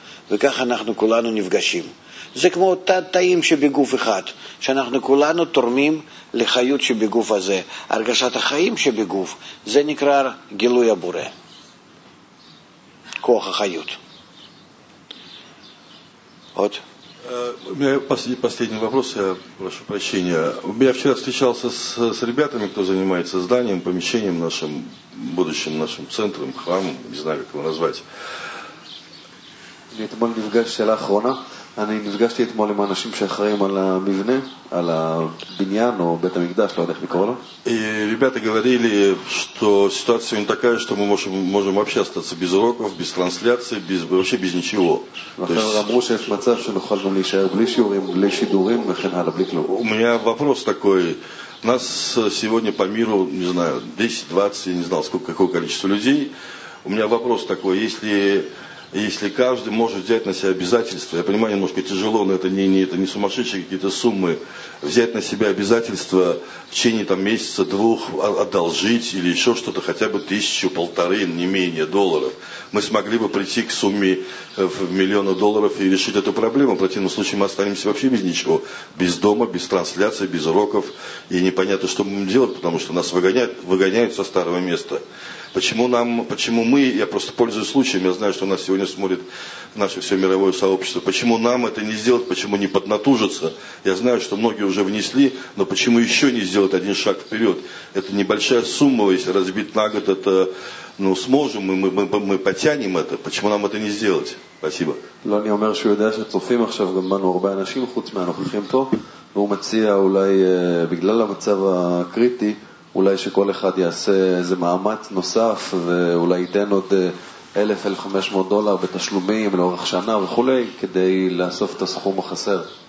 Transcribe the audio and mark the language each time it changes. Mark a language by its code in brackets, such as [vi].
[he] וכך אנחנו כולנו נפגשים. זה כמו אותה תאים שבגוף אחד, שאנחנו כולנו תורמים לחיות שבגוף הזה. הרגשת החיים שבגוף, זה נקרא גילוי הבורא. כוח החיות. [ru] Вот. У меня последний вопрос, я прошу прощения. Я вчера встречался с ребятами, кто занимается зданием, помещением нашим, будущим нашим центром, храмом, не знаю, как его назвать. [he] Я тебе нефгаш шела ахрона. אני נפגשתי אתמול עם אנשים שאחראים על המבנה, על הבניין או בית המקדש, לא יודע איך לקרוא לו. [ru] ребята говорили, что ситуация не такая, что мы можем вообще остаться без уроков, без трансляции, без вообще без ничего. [he] אמרו שיש מצב שנוכל גם להישאר בלי שיעורים, בלי שידורים וכן הלאה, בלי כלום. [ru] У меня вопрос такой. Нас сегодня по миру, не знаю, 10-20, не знал сколько, какое количество людей. У меня вопрос такой, если каждый может взять на себя обязательства, я понимаю, немножко тяжело, но это не сумасшедшие какие-то суммы, взять на себя обязательства в течение там, месяца, двух, одолжить или еще что-то, хотя бы 1000-1500, не менее, долларов. Мы смогли бы прийти к сумме в миллионы долларов и решить эту проблему. В противном случае мы останемся вообще без ничего. Без дома, без трансляции, без уроков. И непонятно, что мы будем делать, потому что нас выгоняют со старого места. Почему мы, я просто пользуюсь случаем, я знаю, что нас сегодня смотрит наше все мировое сообщество, почему нам это не сделать, почему не поднатужиться? Я знаю, что многие уже внесли, но почему еще не сделать один шаг вперед? Это небольшая сумма, если разбить на год, это, ну, сможем, мы потянем это, почему нам это не сделать? Спасибо. [he] לא, אני אומר שהוא יודע שצופים עכשיו גם בנו הרבה אנשים חוץ מהנוכחים פה, והוא מציע אולי בגלל המצב הקריטי, אולי שכל אחד יעשה איזה מאמץ נוסף, ואולי ייתן עוד 1,000-1,500 דולר בתשלומים לאורך שנה וכולי, כדי לאסוף את הסכום החסר.